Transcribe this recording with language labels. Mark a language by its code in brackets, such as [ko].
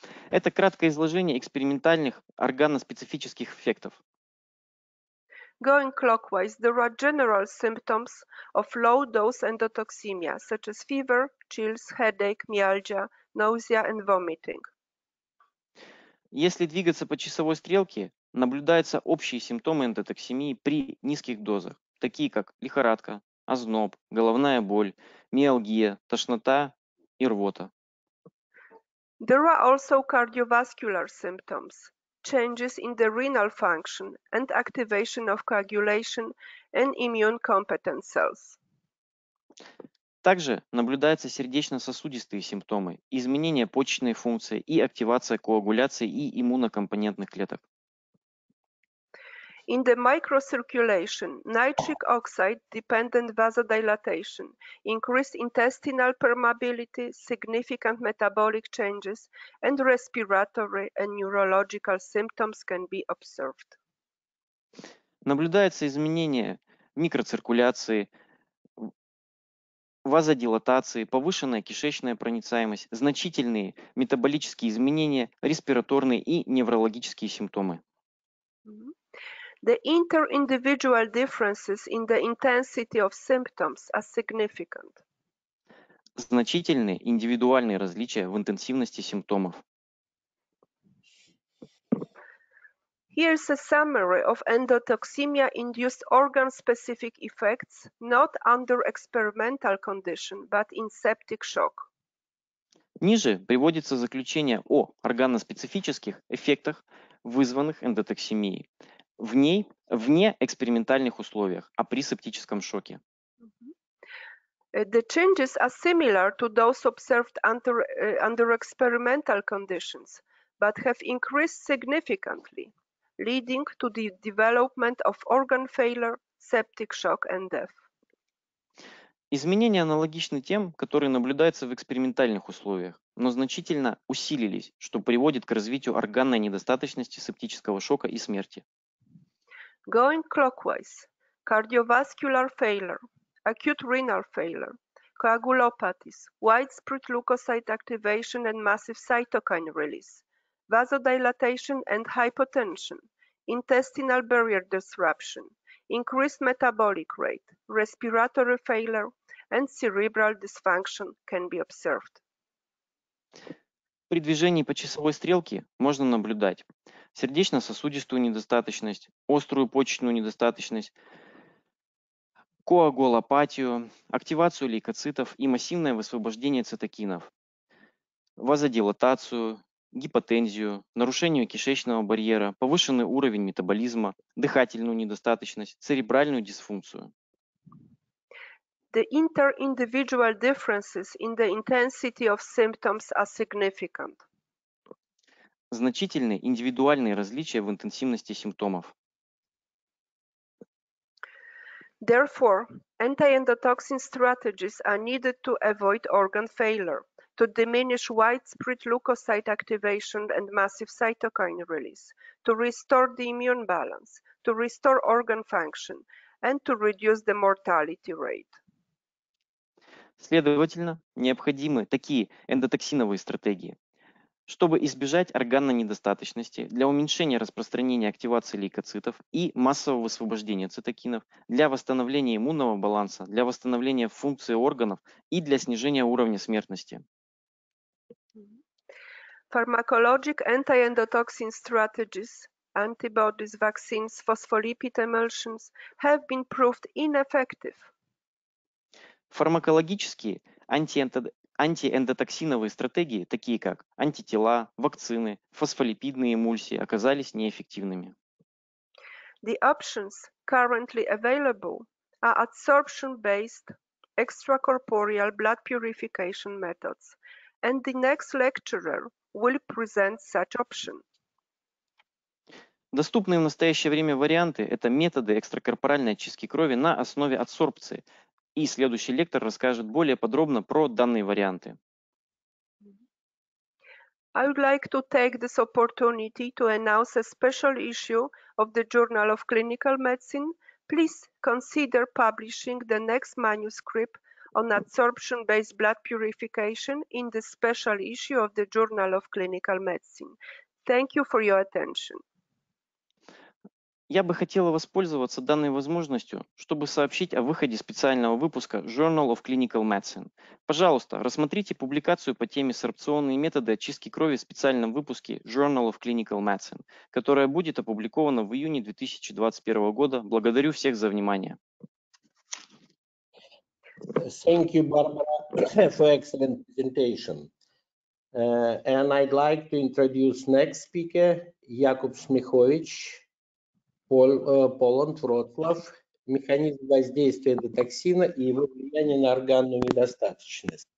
[ru] Это краткое изложение экспериментальных органоспецифических эффектов. [en] Going clockwise, there are general symptoms of low-dose endotoxemia, such as fever, chills, headache, myalgia, nausea, and vomiting. [ru] Если двигаться по часовой стрелке, наблюдаются общие симптомы эндотоксемии при низких дозах, такие как лихорадка, озноб, головная боль, миалгия, тошнота и рвота. [en] There are also cardiovascular symptoms, changes in the renal function and activation of coagulation and immune competent cells. [ru] Также наблюдаются сердечно-сосудистые симптомы, изменение почечной функции и активация коагуляции и иммунокомпонентных клеток. [en] In the microcirculation, nitric oxide-dependent vasodilatation, increased intestinal permeability, significant metabolic changes, and respiratory and neurological symptoms can be observed. [ru] Наблюдается изменение микроциркуляции, вазодилатации, повышенная кишечная проницаемость, значительные метаболические изменения, респираторные и неврологические симптомы. [en] The inter-individual differences in the intensity of symptoms are significant. [ru] Значительные индивидуальные различия в интенсивности симптомов. [en] Here's a summary of endotoxemia-induced organ-specific effects, not under experimental condition, but in septic shock. [ru] Ниже приводится заключение о органоспецифических эффектах, вызванных эндотоксемией, в ней, вне экспериментальных условиях, а при септическом шоке. [en] The changes are similar to those observed under experimental conditions, but have increased significantly, leading to the development of organ failure, septic shock and death. [ru] Изменения аналогичны тем, которые наблюдаются в экспериментальных условиях, но значительно усилились, что приводит к развитию органной недостаточности, септического шока и смерти. [en] Going clockwise. Cardiovascular failure, acute renal failure, coagulopathies, widespread leukocyte activation and massive cytokine release, vasodilatation and hypotension, intestinal barrier disruption, increased metabolic rate, respiratory failure, and cerebral dysfunction can be observed. [ru] При движении по часовой стрелке можно наблюдать сердечно-сосудистую недостаточность, острую почечную недостаточность, коагулопатию, активацию лейкоцитов и массивное высвобождение цитокинов, вазодилатацию, гипотензию, нарушение кишечного барьера, повышенный уровень метаболизма, дыхательную недостаточность, церебральную дисфункцию. [en] The inter-individual differences in the intensity of symptoms are significant. [ru] Значительные индивидуальные различия в интенсивности симптомов. [en] Therefore, anti-endotoxin strategies are needed to avoid organ failure, to diminish widespread leukocyte activation and massive cytokine release, to restore the immune balance, to restore organ function, and to reduce the mortality rate. [ru] Следовательно, необходимы такие эндотоксиновые стратегии, чтобы избежать органной недостаточности, для уменьшения распространения активации лейкоцитов и массового высвобождения цитокинов, для восстановления иммунного баланса, для восстановления функции органов и для снижения уровня смертности. [en] Pharmacologic anti-endotoxin strategies, antibodies, vaccines, phospholipid emulsions have been proved ineffective. [ru] Фармакологические антиэндотоксиновые стратегии, такие как антитела, вакцины, фосфолипидные эмульсии, оказались неэффективными. [en] The options currently available are adsorption-based extracorporeal blood purification methods, and the next lecturer will present such option. [ru] Доступные в настоящее время варианты – это методы экстракорпоральной очистки крови на основе адсорбции. И следующий лектор расскажет более подробно про данные варианты. [en] I would like to take this opportunity to announce a special issue of the Journal of Clinical Medicine. Please consider publishing the next manuscript on adsorption-based blood purification in the special issue of the Journal of Clinical Medicine. Thank you for your attention. [ru] Я бы хотела воспользоваться данной возможностью, чтобы сообщить о выходе специального выпуска Journal of Clinical Medicine. Пожалуйста, рассмотрите публикацию по теме «Сорбционные методы очистки крови» в специальном выпуске Journal of Clinical Medicine, которая будет опубликована в июне 2021 года. Благодарю всех за внимание. [en] Thank you, Barbara, for excellent presentation. And I'd like to introduce next speaker, Jakub Smichowicz. Поланд, Вроцлав. [ru] Механизм воздействия эндотоксина и его влияние на органную недостаточность.